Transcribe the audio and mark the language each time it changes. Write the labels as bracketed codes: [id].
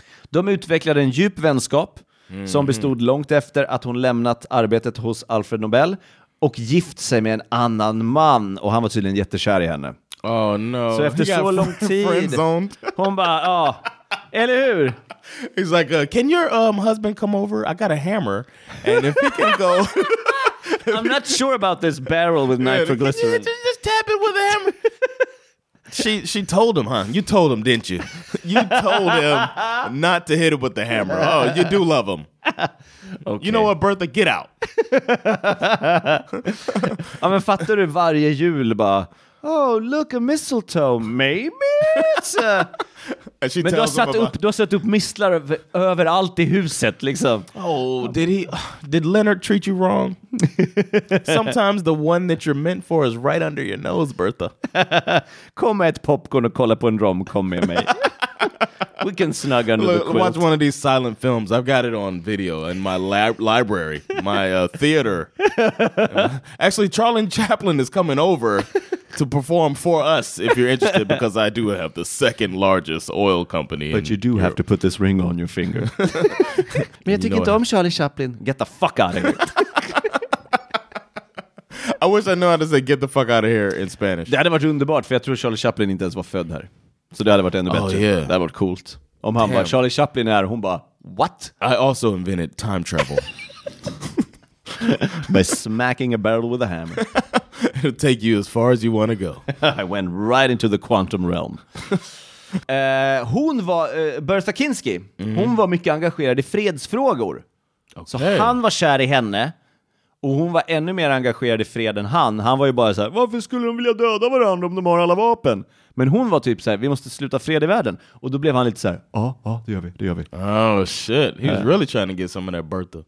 [sv] De utvecklade en djup vänskap som bestod långt efter att hon lämnat arbetet hos Alfred Nobel och gift sig med en annan man. Och han var tydligen jättekär i henne. [en] Oh no. [sv] Så efter så lång tid, hon bara, ja, eller hur? [en] He's like, can your husband come over? I got a hammer. And if he can go... I'm not sure about this barrel with nitroglycerin. Just tap it with a hammer. She told him, huh? You told him, didn't you? You told him not to hit it with the hammer. Oh, you do love him. Okay. You know what, Bertha? Get out. [sv] Ja, men fattar du varje jul bara... [en] Oh, look, a mistletoe, maybe it's a... And she [sv] men [en] tells [sv] du har satt upp mistlar överallt i huset, liksom. [en] Oh, did Leonard treat you wrong? Sometimes the one that you're meant for is right under your nose, Bertha. [sv] Kom ett popcorn och kolla på en rom-com med mig. [en] We can snug under the quilt. Watch one of these silent films. I've got it on video in my library, my theater. Actually, Charlie Chaplin is coming over to perform for us, if you're interested, because I do have the second largest oil company. But you do have to put this ring on your finger. [sv] Men jag tycker inte om Charlie Chaplin. [en] Get the fuck out of here. I wish I knew how to say get the fuck out of here in Spanish. [sv] Det hade varit underbart, för jag tror Charlie Chaplin inte ens var född här. Så det hade varit ännu bättre. [en] Oh, yeah. [sv] Det hade varit coolt. Om han bara, Charlie Chaplin är här, hon bara, what? [en] I also invented time travel. By smacking a barrel with a hammer. It'll take you as far as you want to go. I went right into the quantum realm. [sv] Hon var, Bertha Kinsky, hon var mycket engagerad i fredsfrågor. [en] Okay. [sv] Så han var kär i henne. Och hon var ännu mer engagerad i fred än han. Han var ju bara så här, varför skulle de vilja döda varandra om de har alla vapen? Men hon var typ så här, vi måste sluta fred i världen. Och då blev han lite så här, ja, ja, det gör vi, det gör vi. [en] Oh shit, he was really trying to get some of that Bertha.